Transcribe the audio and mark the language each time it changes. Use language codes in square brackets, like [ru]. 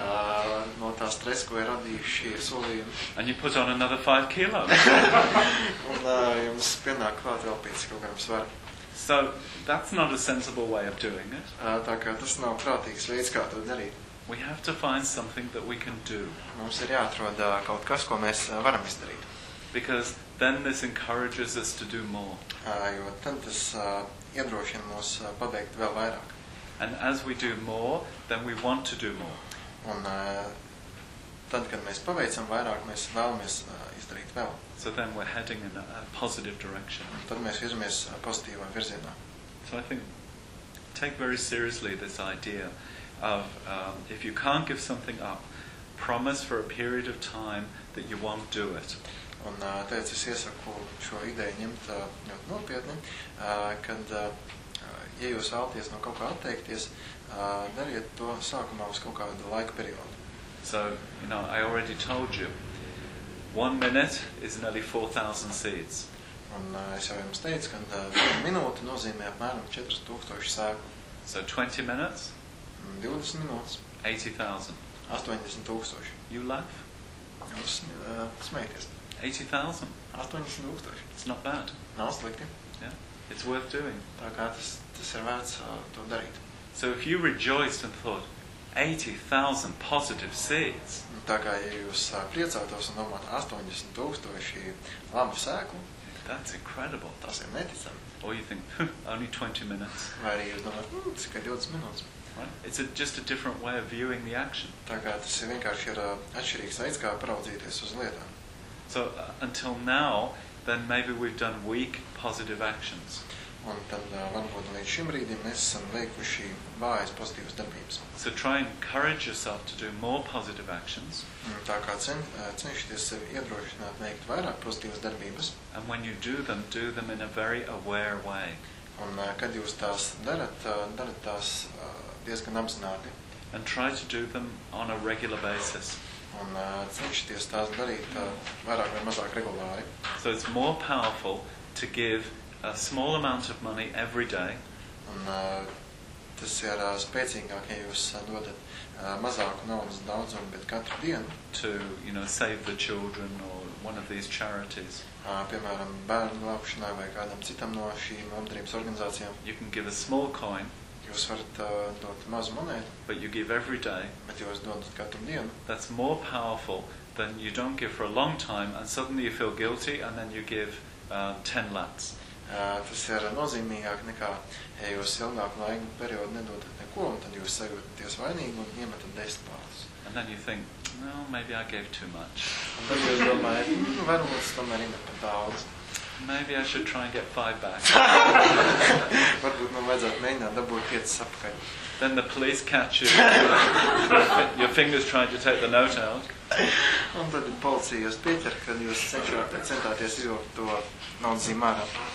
[lv] No tā stresa, ko ir radījuši šie solījumi. [en] And you put on another 5 kilos. [lv] Un jums pienāk klāt vēl 5 kilogramu svaru. [en] So that's not a sensible way of doing it. [lv] Tā kā tas nav prātīgs veids, kā to darīt. [en] We have to find something that we can do. [lv] Mums ir jāatrod kaut kas, ko mēs varam izdarīt. [en] Because then this encourages us to do more. [lv] Jo tad tas iedrošina mūs pabeigt vēl vairāk. [en] And as we do more, then we want to do more. [lv] Un tad, kad mēs paveicam vairāk, mēs vēlamies izdarīt vēl. [en] So then we're heading in a positive direction. [lv] Un tad mēs virzamies pozitīvā virzienā. [en] So I think, take very seriously this idea of if you can't give something up, promise for a period of time that you won't do it. [lv] Un tāpēc es iesaku šo ideju ņemt ļoti nopietni, kad, ja jūs vēlaties no kaut kā atteikties, dariet to sākumā uz kaut kādu laika periodu. [en] So, you know, I already told you, 1 minute is nearly 4,000 seeds. [lv] Un es jau jums teicu, ka minūte nozīmē apmēram 4000 sēklu. [en] So, 20 minutes? [lv] 20 minūtes. [en] 80,000. [lv] 80,000. [en] You laugh? [lv] Jūs smēties. [en] 80,000. It's not bad. [lv] Nav slikti. [en] Yeah. It's worth doing. [lv] Tā kā tas ir vērts to darīt. [en] So if you rejoiced and thought 80,000 positive seeds. [lv] Tā kā ja jūs priecātos un domāt 80,000 labu sēklu. [en] That's incredible. [lv] Tas ir neticami. [en] Or you think only 20 minutes. [lv] Vai arī jūs domāt, tikai 20 minūtes. [en] Right? It's just a different way of viewing the action. [lv] Tā kā tas ir vienkārši ir atšķirīgs veids, kā paraudzīties uz lietām. [en] So until now, then maybe we've done weak positive actions. [lv] Un tad varbūt līdz šim brīdim mēs esam veikuši vājas pozitīvas darbības. [en] So try and encourage yourself to do more positive actions. [lv] Tā kā cenšaties sevi iedrošināt veikt vairāk pozitīvas darbības. [en] And when you do them in a very aware way. [lv] Un kad jūs tās darat, darat tās diezgan apzināti. [en] And try to do them on a regular basis. [lv] Un cenšaties tās darīt vairāk vai mazāk regulāri. [en] So it's more powerful to give a small amount of money every day. [lv] Un tas ir spēcīgāk, ja jūs dodat mazāku naudas daudzumu, bet katru dienu. [en] To, you know, save the children or one of these charities. [lv] Piemēram, bērnu glābšanai vai kādam citam no šīm labdarības organizācijām. [en] You can give a small coin. [lv] Jūs varat dot mazu monētu, [en] but you give every day. [lv] Bet jūs dodat katru dienu. [en] That's more powerful than you don't give for a long time and suddenly you feel guilty and then you give 10 lats. [lv] Tas ir nozīmīgāk nekā, ja jūs ilgāku laiku periodu nedodat neko, un tad jūs sajūtaties vainīgi un iemetat 10 lats. [en] And then you think, well, maybe I gave too much. [lv] Un tad jūs domājat, varbūt es tomēr imet par daudz. [en] Maybe I should try and get 5 back. [lv] Varbūt man vajadzētu mēģināt dabūt 5 atpakaļ. [en] Then the police catch you. Your fingers trying to take the note out. [lv] Un tad policija jūs pieķer, kad jūs centāties izvilkt to naudas zīmēru.